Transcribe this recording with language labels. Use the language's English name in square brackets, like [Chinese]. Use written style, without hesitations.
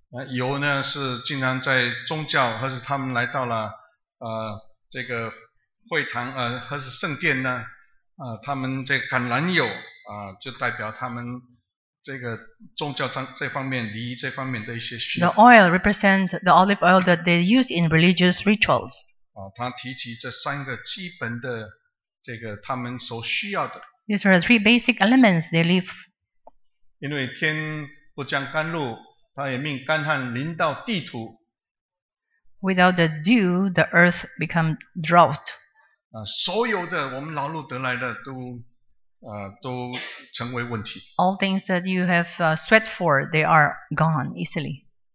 [Chinese] 油呢是经常在宗教，或是他们来到了这个会堂，或是圣殿呢。他们这橄榄油就代表他们这个宗教上这方面礼仪这方面的一些需要。 [English] The oil represents the olive oil that they use in religious rituals. [Chinese] 他提起这三个基本的这个他们所需要的。 [English] These are the three basic elements they live. [Chinese] 因为天不降甘露，他也命干旱临到地土。 [English] Without the dew, the earth becomes drought. [Chinese] 所有的我们劳碌得来的都成为问题。 [English] All things that you have sweat for, they are gone easily.